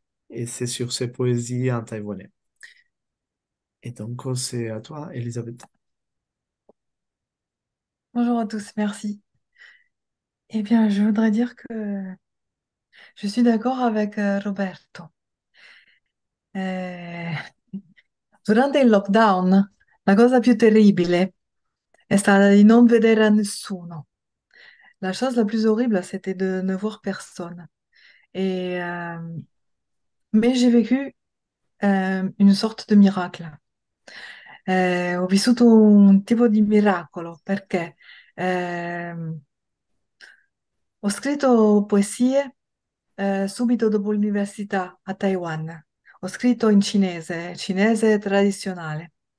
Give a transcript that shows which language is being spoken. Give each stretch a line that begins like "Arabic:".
French: Et c'est sur ses poésies en taïwanais. Et donc, c'est à toi, Elisabeth. Bonjour à tous, merci. Eh bien, je voudrais dire que je suis d'accord avec Roberto.
Italian: Durante il lockdown, la cosa più terribile è stata di non vedere nessuno. La cosa la più orribile,
French: c'était de ne voir personne. Mais j'ai vécu une sorte de miracle.
Italian: Ho vissuto un tipo di miracolo perché ho scritto poesie subito dopo l'università a Taiwan. Ho scritto in cinese, cinese tradizionale.